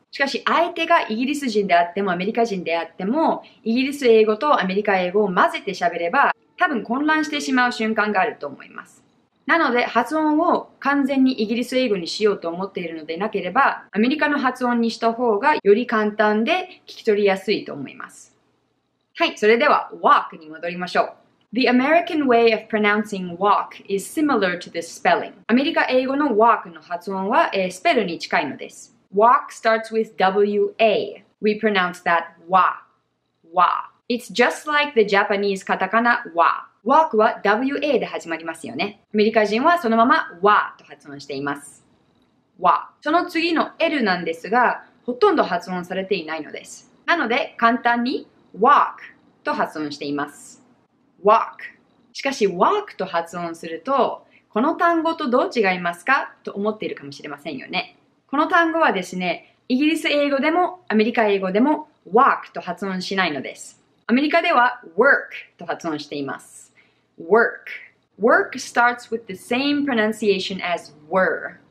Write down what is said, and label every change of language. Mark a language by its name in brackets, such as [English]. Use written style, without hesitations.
[Japanese] しかし相手がイギリス人であってもアメリカ人であっても、イギリス英語とアメリカ英語を混ぜて喋れば多分混乱してしまう瞬間があると思います。なので発音を完全にイギリス英語にしようと思っているのでなければ、アメリカの発音にした方がより簡単で聞き取りやすいと思います。はい、それでは walk に戻りましょう。 [English] The American way of pronouncing walk is similar to the spelling. [Japanese] アメリカ英語の walk の発音は、スペルに近いのです。 [English] Walk starts with W-A. We pronounce that wa. Wa. It's just like the Japanese katakana wa. Walk [Japanese] は W-A で始まりますよね。アメリカ人はそのまま wa と発音しています。 wa. その次の L なんですが、ほとんど発音されていないのです。なので、簡単に walk と発音しています。walk. しかし walk と発音すると、この単語とどう違いますかと思っているかもしれませんよね。この単語はですね、イギリス英語でもアメリカ英語でも walk と発音しないのです。アメリカでは work と発音しています。work。 [English] work starts with the same pronunciation as were。